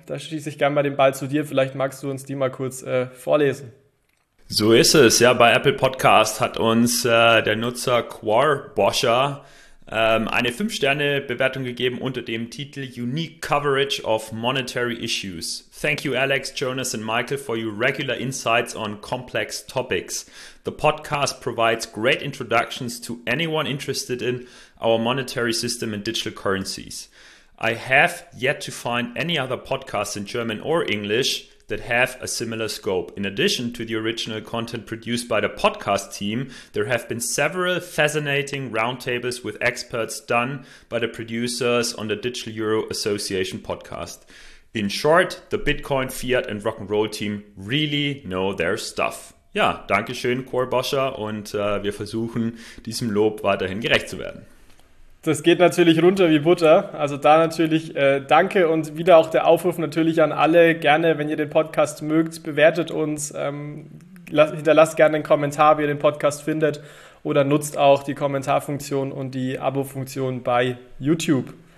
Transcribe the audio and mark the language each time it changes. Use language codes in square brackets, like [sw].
[de] Da schieße ich gerne mal den Ball zu dir. Vielleicht magst du uns die mal kurz vorlesen. So ist es. Ja, bei Apple Podcast hat uns der Nutzer Quarboscher eine 5-Sterne-Bewertung gegeben unter dem Titel Unique Coverage of Monetary Issues. [en] Thank you Alex, Jonas and Michael for your regular insights on complex topics. The podcast provides great introductions to anyone interested in our monetary system and digital currencies. I have yet to find any other podcast in German or English that have a similar scope. In addition to the original content produced by the podcast team, there have been several fascinating roundtables with experts done by the producers on the Digital Euro Association podcast. In short, the Bitcoin, Fiat and Rock'n'Roll team really know their stuff. [de] Ja, danke schön, Quarboscher, und wir versuchen, diesem Lob weiterhin gerecht zu werden. Das geht natürlich runter wie Butter, also da natürlich danke und wieder auch der Aufruf natürlich an alle, gerne, wenn ihr den Podcast mögt, bewertet uns, hinterlasst gerne einen Kommentar, wie ihr den Podcast findet oder nutzt auch die Kommentarfunktion und die Abo-Funktion bei YouTube.